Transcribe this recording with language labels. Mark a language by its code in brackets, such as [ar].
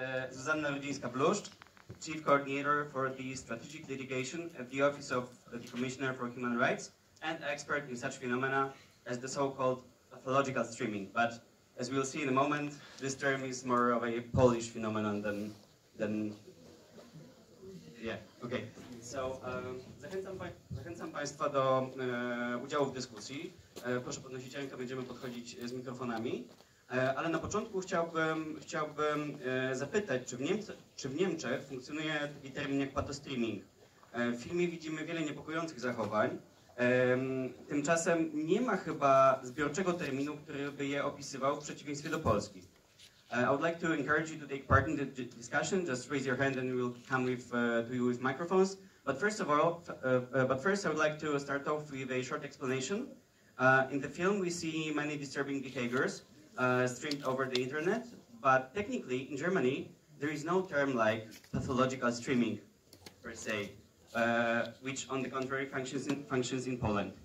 [en] Zuzanna Rudzińska-Bluszcz, Chief Coordinator for the Strategic Litigation at the Office of the Commissioner for Human Rights and expert in such phenomena as the so-called pathological streaming. But as we'll see in a moment, this term is more of a Polish phenomenon than yeah, okay. [pl] So zachęcam Państwa do udziału w dyskusji. Proszę podnosić rękę, będziemy podchodzić z mikrofonami. Ale na początku chciałbym zapytać, czy w Niemczech funkcjonuje taki termin jak patostreaming? W filmie widzimy wiele niepokojących zachowań. Tymczasem nie ma chyba zbiorczego terminu, który by je opisywał w przeciwieństwie do Polski. [en] I would like to encourage you to take part in the discussion. Just raise your hand and we'll come to you with microphones. But first of all, I would like to start off with a short explanation. In the film, we see many disturbing behaviors streamed over the internet, but technically, in Germany, there is no term like pathological streaming, per se, which, on the contrary, functions in Poland.